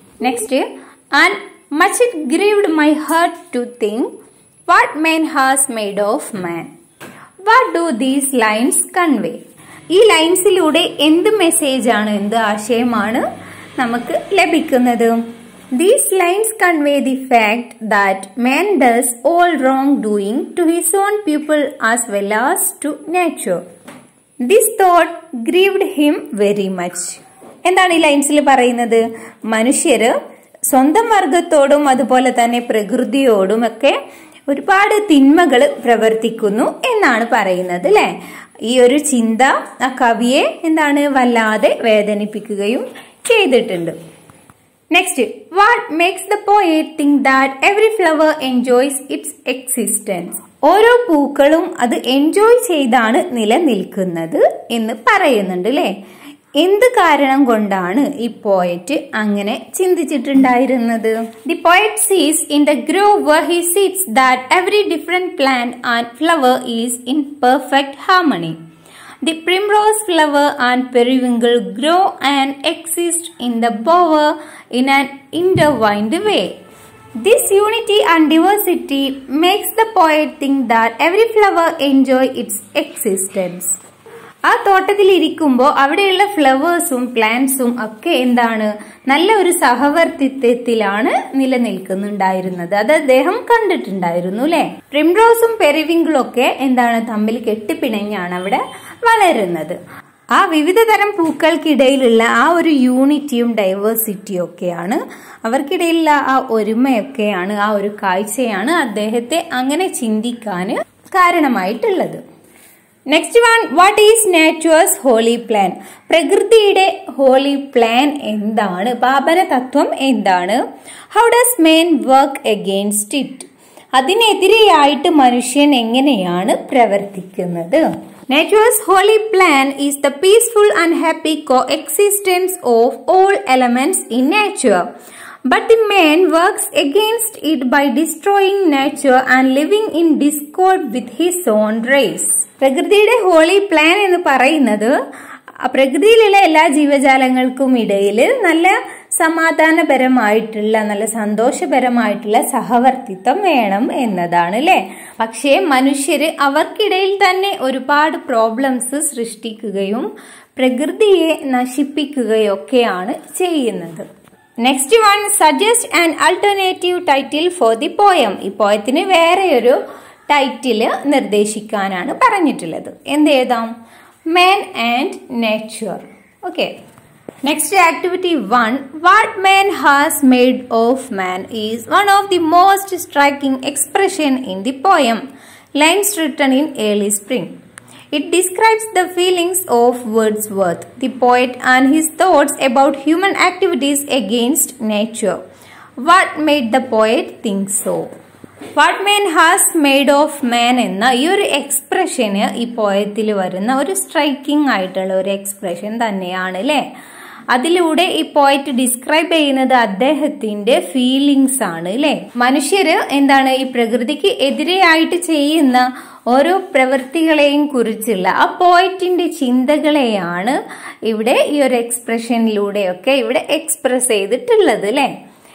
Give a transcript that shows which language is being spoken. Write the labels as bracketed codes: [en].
[en] Next, and much it grieved my heart to think what men has made of man. What do these lines convey? [ml] ഈ ലൈൻസിലൂടെ എന്ത് മെസ്സേജാണ്, എന്ത് ആശയമാണ് നമുക്ക് ലഭിക്കുന്നത്? [en] These lines convey the fact that man does all wrong doing to his own people as well as to nature. This thought grieved him very much. [ml] എന്താണ് ഈ ലൈൻസിൽ പറയുന്നത്? മനുഷ്യര് സ്വന്തം വർഗത്തോടും അതുപോലെ തന്നെ പ്രകൃതിയോടും ഒക്കെ ഒരുപാട് തിന്മകൾ പ്രവർത്തിക്കുന്നു എന്നാണ് പറയുന്നത് അല്ലെ. ഈ ഒരു ചിന്ത ആ കവിയെ എന്താണ് വല്ലാതെ വേദനിപ്പിക്കുകയും ചെയ്തിട്ടുണ്ട്. [en] Next, what makes the poet think that every flower enjoys its existence? [ml] ഓരോ പൂക്കളും അത് എൻജോയ് ചെയ്താണ് നിലനിൽക്കുന്നത് എന്ന് പറയുന്നുണ്ട് അല്ലേ. എന്ത് കാരണം കൊണ്ടാണ് ഈ പോയറ്റ് അങ്ങനെ ചിന്തിച്ചിട്ടുണ്ടായിരുന്നത്? [en] The poet sees in the grove where he sits that every different plant and flower is in perfect harmony. The primrose flower and periwinkle grow and exist in the bower in an intertwined way. This unity and diversity makes the poet think that every flower enjoy its existence. [ml] ആ തോട്ടത്തിൽ ഇരിക്കുമ്പോൾ അവിടെയുള്ള ഫ്ലവേഴ്സും പ്ലാന്റ്സും ഒക്കെ എന്താണ് നല്ല ഒരു സഹവർത്തിത്വത്തിലാണ് നിലനിൽക്കുന്നുണ്ടായിരുന്നത്. അത് അദ്ദേഹം കണ്ടിട്ടുണ്ടായിരുന്നു അല്ലേ. പ്രിംറോസും പെരിവിങ്കിളും ഒക്കെ എന്താണ് തമ്മിൽ കെട്ടിപ്പിണഞ്ഞാണ് അവിടെ വളരുന്നത്. ആ വിവിധ തരം പൂക്കൾക്കിടയിലുള്ള ആ ഒരു യൂണിറ്റിയും ഡൈവേഴ്സിറ്റിയും ഒക്കെയാണ്, അവർക്കിടയിലുള്ള ആ ഒരുമയൊക്കെയാണ്, ആ ഒരു കാഴ്ചയാണ് അദ്ദേഹത്തെ അങ്ങനെ ചിന്തിക്കാൻ കാരണമായിട്ടുള്ളത്. [en] Next one, what is nature's holy plan? [ml] പ്രകൃതിയുടെ ഹോളി പ്ലാൻ എന്താണ്? പാപന തത്വം എന്താണ്? [en] How does man work against it? [ml] അതിനെതിരെയായിട്ട് മനുഷ്യൻ എങ്ങനെയാണ് പ്രവർത്തിക്കുന്നത്? [en] Nature's holy plan is the peaceful and happy coexistence of all elements in nature. But the man works against it by destroying nature and living in discord with his own race. [ml] പ്രകൃതിയുടെ holy plan എന്ന് പറയുന്നത് പ്രകൃതിയിലുള്ള എല്ലാ ജീവജാലങ്ങൾക്കും ഇടയിൽ നല്ല സമാധാനപരമായിട്ടുള്ള നല്ല സന്തോഷപരമായിട്ടുള്ള സഹവർത്തിത്വം വേണം എന്നതാണ് അല്ലേ. പക്ഷേ മനുഷ്യർ അവർക്കിടയിൽ തന്നെ ഒരുപാട് പ്രോബ്ലംസ് സൃഷ്ടിക്കുകയും പ്രകൃതിയെ നശിപ്പിക്കുകയൊക്കെയാണ് ചെയ്യുന്നത്. [en] Next one, suggest and alternative title for the poem. [ml] ഈ പോയത്തിന് വേറെയൊരു ടൈറ്റില് നിർദ്ദേശിക്കാനാണ് പറഞ്ഞിട്ടുള്ളത്. എന്തെഴുതാം? [en] Man and nature. Okay, next activity one, what man has made of man is one of the most striking expression in the poem lines written in early spring. It describes the feelings of Wordsworth, the poet, and his thoughts about human activities against nature. What made the poet think so? What man has made of man [ml] enna ee oru expression ee poetil varuna oru striking aayittulla oru expression thanneyanu le. അതിലൂടെ ഈ poet describe ചെയ്യുന്നത് അദ്ദേഹത്തിന്റെ feelings ആണ് അല്ലേ. മനുഷ്യര് എന്താണ് ഈ പ്രകൃതിക്ക് എതിരെയായിട്ട് ചെയ്യുന്ന ഓരോ പ്രവൃത്തികളെയും കുറിച്ചുള്ള ആ പോയറ്റിന്റെ ചിന്തകളെയാണ് ഇവിടെ ഈ ഒരു എക്സ്പ്രഷനിലൂടെയൊക്കെ ഇവിടെ എക്സ്പ്രസ് ചെയ്തിട്ടുള്ളത് അല്ലേ.